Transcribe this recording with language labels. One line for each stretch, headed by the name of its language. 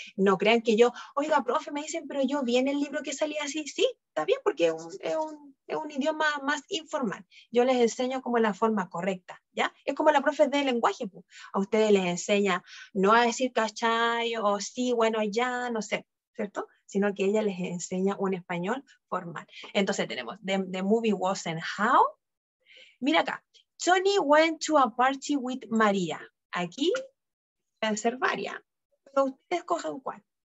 Spanish: No crean que yo, oiga, profe, me dicen, pero yo vi en el libro que salía así, sí, está bien, porque es un idioma más informal. Yo les enseño como la forma correcta, ¿ya? Es como la profe de lenguaje, pues. A ustedes les enseña no a decir cachai o sí, bueno, ya, no sé, ¿cierto? Sino que ella les enseña un español formal.
English: Entonces tenemos, the movie wasn't how. Mira acá, Tony went to a party with Maria.
Spanish: Aquí pueden ser varias, pero ustedes cojan cuál.